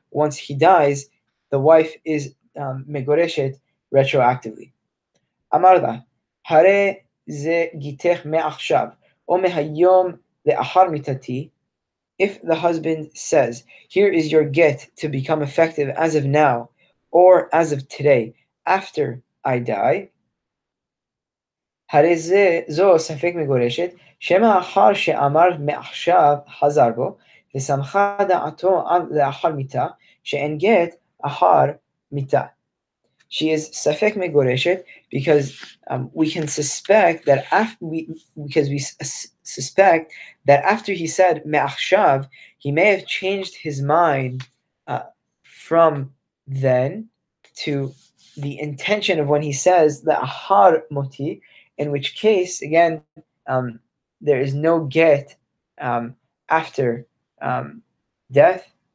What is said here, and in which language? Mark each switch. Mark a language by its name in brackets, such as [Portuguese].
[English] Once he dies, the wife is megoreshet retroactively. [Hebrew] אמר לה, הרי זה גיתך מעכשיו, או מהיום לאחר מיתתי. [English] If the husband says, here is your get to become effective as of now, or as of today, after I die, [Hebrew] הרי זה זו ספק מגורשת, שמא אחר שאמר מעכשיו חזר בו, ושמחה דעתו על לאחר מיתה, שאין גט אחר מיתה. [English] She is ספק מגורשת, because we can suspect that after we suspect that after he said me'achshav, he may have changed his mind from then to the intention of when he says le'ahar moti, in which case again there is no get after death.